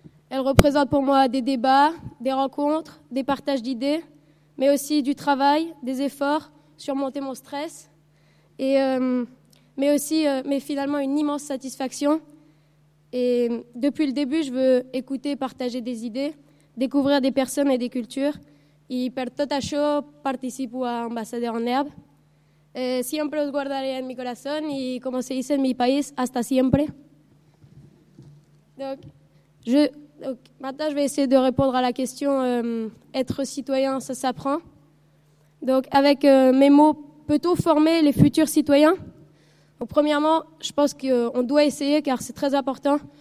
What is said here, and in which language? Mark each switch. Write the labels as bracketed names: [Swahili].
[French] Elle représente pour moi des débats, des rencontres, des partages d'idées, mais aussi du travail, des efforts, surmonter mon stress, mais finalement une immense satisfaction. Et depuis le début, je veux écouter, partager des idées, découvrir des personnes et des cultures. [Spanish] Y per todo ello participo a Ambassadeur en Herbe. Siempre os guardaré en mi corazón y como se dice en mi país, hasta siempre. [French] Donc, maintenant, je vais essayer de répondre à la question « Être citoyen, ça s'apprend ?» Donc, avec mes mots, peut-on former les futurs citoyens ? Donc, premièrement, je pense qu'on doit essayer, car c'est très important.